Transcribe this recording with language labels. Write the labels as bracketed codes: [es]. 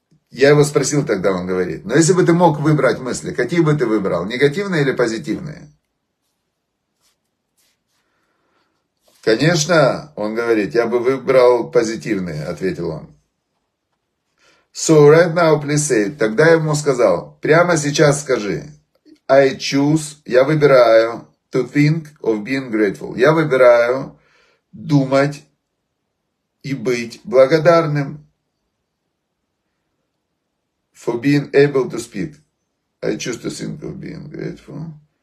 [ru] Я его спросил тогда, он говорит, но если бы ты мог выбрать мысли, какие бы ты выбрал, негативные или позитивные? Конечно, он говорит, я бы выбрал позитивные, ответил он. [en] So right now please say, [ru] тогда я ему сказал, прямо сейчас скажи, [en] I choose, [ru] я выбираю [en] to think of being grateful. [ru] Я выбираю думать и быть благодарным. [en] For being able to speak. I choose to think of being grateful.